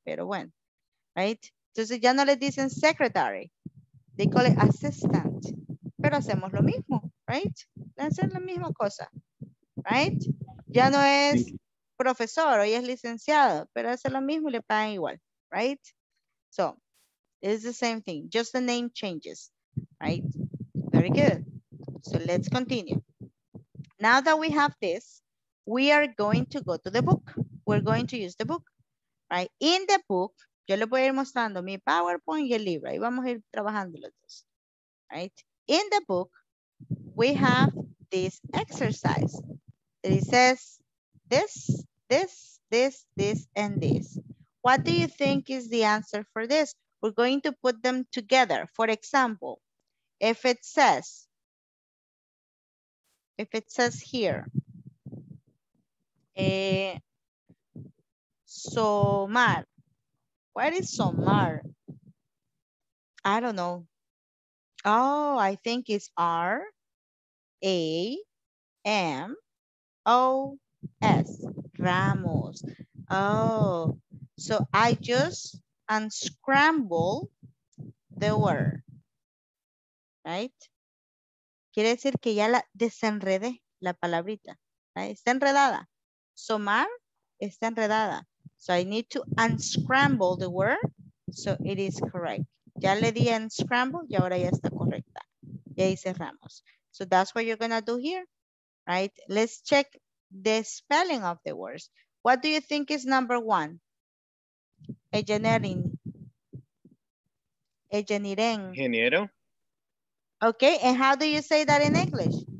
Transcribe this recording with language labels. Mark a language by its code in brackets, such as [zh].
[es] Pero bueno, right? Entonces ya no les dicen secretary, [en] they call it assistant. [es] Pero hacemos lo mismo, right? Hacen la misma cosa, right? Ya no es profesor, hoy es licenciado, pero hace lo mismo y le pagan igual, right? [en] So, it's the same thing, just the name changes, right? Very good. So let's continue. Now that we have this, we are going to go to the book. We're going to use the book, right? In the book, [es] yo le voy a ir mostrando mi PowerPoint y el libro. Ahí vamos a ir trabajando los dos, right? [en] In the book, we have this exercise. It says this, this, this, this, and this. What do you think is the answer for this? We're going to put them together. For example, if it says here, Somar. What is Somar? I don't know. Oh, I think it's R-A-M-O-S. Ramos. Oh, so I just unscramble the word. Right? [es] Quiere decir que ya la desenredé la palabrita. Right? Está enredada. Somar está enredada. [en] So I need to unscramble the word so it is correct. [es] Ya le di unscramble y ahora ya está correcta. Y ahí cerramos. [en] So that's what you're gonna do here, right? Let's check the spelling of the words. What do you think is number one? Engineering. Engineering. [es] Ingeniero. [en] Okay, and how do you say that in English?